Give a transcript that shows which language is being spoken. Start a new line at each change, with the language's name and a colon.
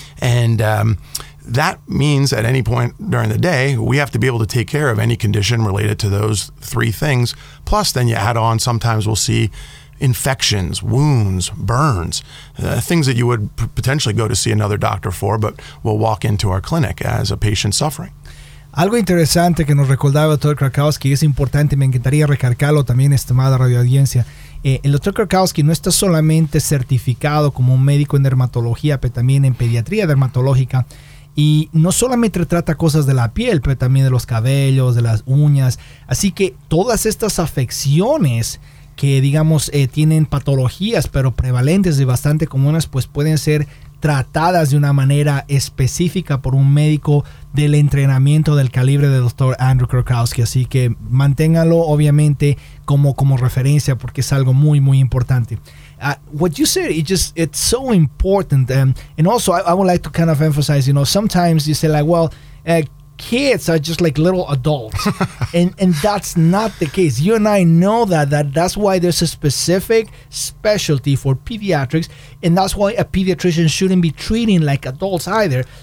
English: And that means at any point during the day, we have to be able to take care of any condition related to those three things. Plus, then you add on, sometimes we'll see infections, wounds, burns, things that you would potentially go to see another doctor for, but we'll walk into our clinic as a patient suffering.
Spanish: Algo interesante que nos recordaba el Dr. Krakowski, es importante, me encantaría recalcarlo también, estimada radioaudiencia. El Dr. Krakowski no está solamente certificado como un médico en dermatología, pero también en pediatría dermatológica. Y no solamente trata cosas de la piel, pero también de los cabellos, de las uñas. Así que todas estas afecciones que, digamos, tienen patologías, pero prevalentes y bastante comunes, pues pueden ser tratadas de una manera específica por un médico del entrenamiento del calibre del Dr. Andrew Krakowski. Así que manténgalo, obviamente, como referencia, porque es algo muy, muy importante.
English: What you said, it's so important. And also, I would like to kind of emphasize, you know, sometimes you say like, well, kids are just like little adults. and that's not the case. You and I know that's why there's a specific specialty for pediatrics. And that's why a pediatrician shouldn't be treating like adults either.